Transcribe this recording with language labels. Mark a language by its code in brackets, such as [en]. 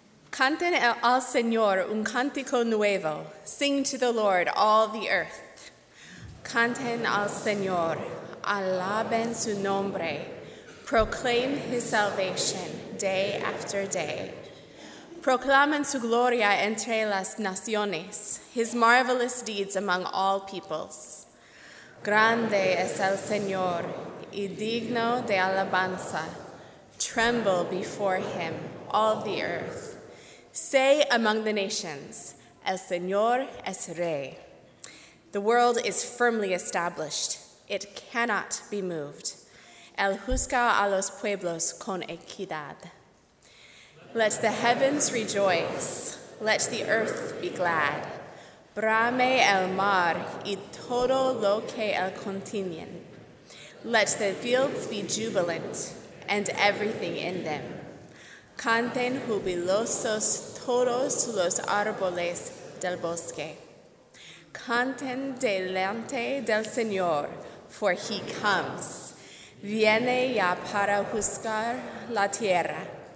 [es] Canten al Señor un cántico nuevo. [en] Sing to the Lord, all the earth. [es] Canten al Señor. Alaben su nombre. [en] Proclaim his salvation day after day. [es] Proclamen su gloria entre las naciones. [en] His marvelous deeds among all peoples. [es] Grande es el Señor y digno de alabanza. [en] Tremble before him, all the earth. Say among the nations, [es] El Señor es Rey. [en] The world is firmly established. It cannot be moved. [es] El juzga a los pueblos con equidad. [en] Let the heavens rejoice. Let the earth be glad. [es] Brame el mar y todo lo que el contiene. [en] Let the fields be jubilant and everything in them. [es] Canten jubilosos todos los árboles del bosque. Canten delante del Señor, [en] for he comes. [es] Viene ya para juzgar la tierra.